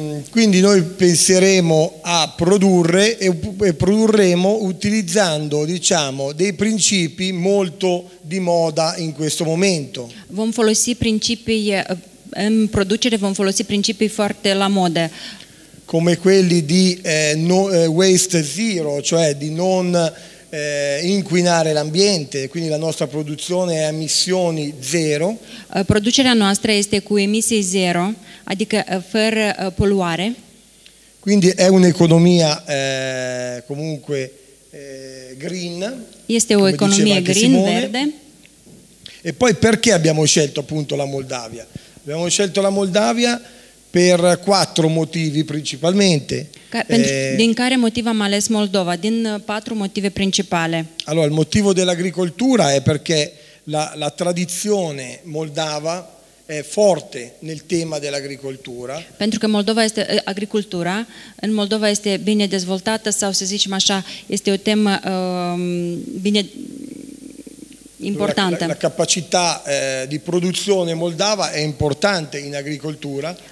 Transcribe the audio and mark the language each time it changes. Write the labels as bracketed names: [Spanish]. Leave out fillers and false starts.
[Italian] Quindi noi penseremo a produrre e produrremo utilizzando, diciamo, dei principi molto di moda in questo momento. [Romanian] Vom folosi principi în producere vom folosi principii foarte la modă. [Italian] Come quelli di waste zero, cioè di non inquinare l'ambiente, quindi la nostra produzione è a emissioni zero. [Romanian] Producerea noastră este cu emisii zero, adică fără poluare. [Italian] Quindi è un'economia comunque green. [Romanian] Este o economie green, Simone. Verde. [Italian] E poi perché abbiamo scelto appunto la Moldavia? Abbiamo scelto la Moldavia per quattro motivi principalmente. [Romanian] Din care motiv am ales Moldova? Din patru motive principale. [Italian] Allora, il motivo dell'agricoltura è perché la tradizione moldava è forte nel tema dell'agricoltura. [Romanian] Pentru că Moldova este agricultura, în Moldova este bine dezvoltată sau să zicem așa, este o temă bine importante. [Italian] La capacità di produzione moldava è importante in agricoltura.